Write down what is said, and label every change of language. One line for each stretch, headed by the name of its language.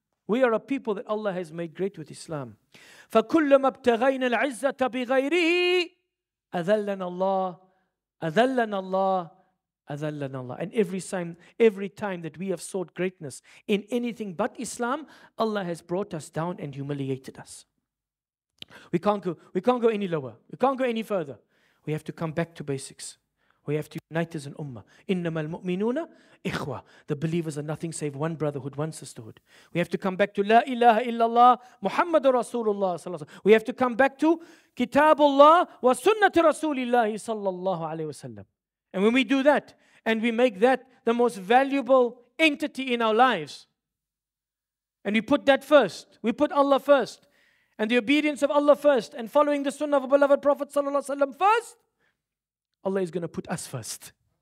English: We are a people that Allah has made great with Islam.
Arabic: فَكُلَّمَا ابْتَغَيْنَا الْعِزَّةَ بِغَيْرِهِ أَذَلَّنَا اللَّهِ
English: أَذَلَّنَا اللَّهِ أَذَلَّنَا اللَّهِ And every time that we have sought greatness in anything but Islam, Allah has brought us down and humiliated us. We can't go any lower. We can't go any further. We have to come back to basics. We have to unite as an ummah.
Arabic: إِنَّمَا الْمُؤْمِنُونَ إِخْوَةَ
English: The believers are nothing save one brotherhood, one sisterhood. We have to come back to
Arabic: لا إله إلا الله محمد رسول الله صلى الله عليه وسلم.
English: We have to come back to
Arabic: كتاب الله وسنة رسول الله صلى الله عليه وسلم.
English: And when we do that, and we make that the most valuable entity in our lives, and we put that first, we put Allah first, and the obedience of Allah first, and following the sunnah of a beloved Prophet
Arabic: صلى الله عليه وسلم
English: first, Allah is going to put us first.